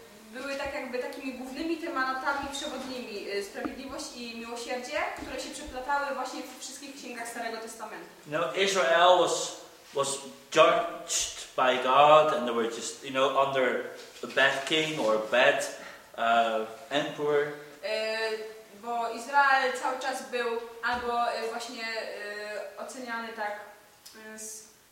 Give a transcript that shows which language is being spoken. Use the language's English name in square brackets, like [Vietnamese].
[Polish] Były tak jakby takimi głównymi tematami przewodnimi, sprawiedliwość i miłosierdzie, które się przeplatały właśnie w wszystkich księgach Starego Testamentu. [English] No, Israel was judged by God and they were just, you know, under a bad king or a bad emperor. [Polish] Bo bo Izrael cały czas był albo właśnie oceniany tak z...